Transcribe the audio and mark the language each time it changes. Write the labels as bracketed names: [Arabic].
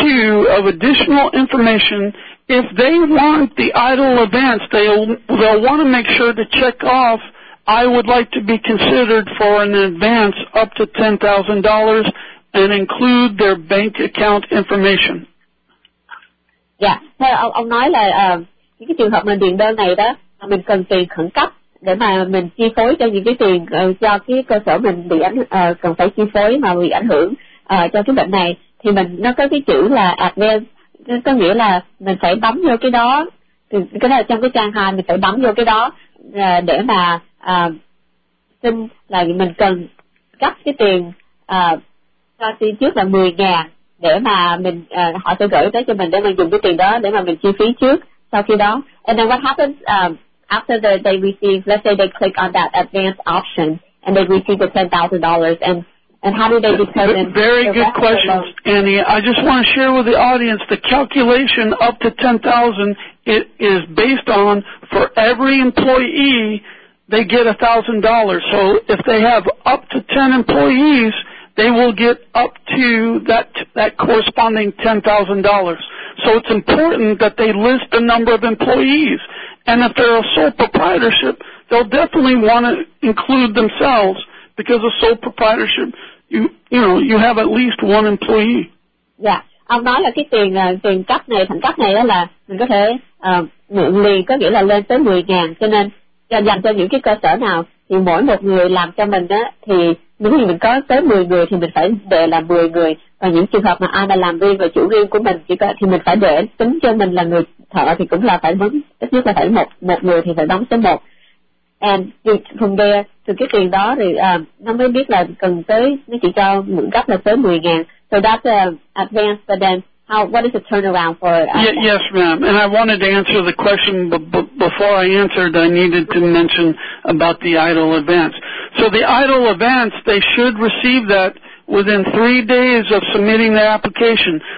[English] queue of additional information. If they want the idle events, they'll want to make sure to check off, I would like to be considered for an advance up to $10,000 and include their bank account information. [Vietnamese] Dạ, yeah. Ông nói là những cái trường hợp mà điền đơn này đó, mình cần tiền khẩn cấp để mà mình chi phối cho những cái tiền cho cái cơ sở mình bị ảnh cần phải chi phối mà bị ảnh hưởng cho cái bệnh này, thì mình nó có cái chữ là advance, có nghĩa là mình phải bấm vô cái đó, cái đó trong cái trang 2 mình phải bấm vô cái đó để mà xin là mình cần cấp cái tiền cho tiền trước là 10,000 để mà mình họ sẽ gửi tới cho mình để mình dùng cái tiền đó để mà mình chi phí trước sau khi đó. [English] And then what happens after they receive, let's say they click on that advance option and they receive the $10,000, and how do they determine? Very good question, Annie. I just want to share with the audience the calculation up to $10,000. It is based on for every employee they get $1,000. So if they have up to 10 employees, they will get up to that corresponding $10,000. So it's important that they list the number of employees. And if they're a sole proprietorship, they'll definitely want to include themselves, because a sole proprietorship, you have at least one employee. [Vietnamese] Yeah. Ông nói là cái tiền cấp này, thành cấp này là mình có thể mượn liền, có nghĩa là lên tới 10,000. Cho nên dành cho những cái cơ sở nào thì mỗi một người làm cho mình á, thì nếu như mình có tới 10 người thì mình phải để là 10 người, và những trường hợp mà ai mà làm riêng và chủ riêng của mình chỉ có, thì mình phải để tính cho mình là người thợ thì cũng là phải đóng ít nhất là phải một người thì phải đóng tới một. [English] And from there, [Vietnamese] từ cái tiền đó thì nó mới biết là cần tới, nó chỉ cho mượn gấp là tới 10,000. [English] So that's advanced, but then what is the turnaround for it? Yes, ma'am. And I wanted to answer the question, but before I answered, I needed to mention about the idle advance. So the idle advance, they should receive that within 3 days of submitting their application.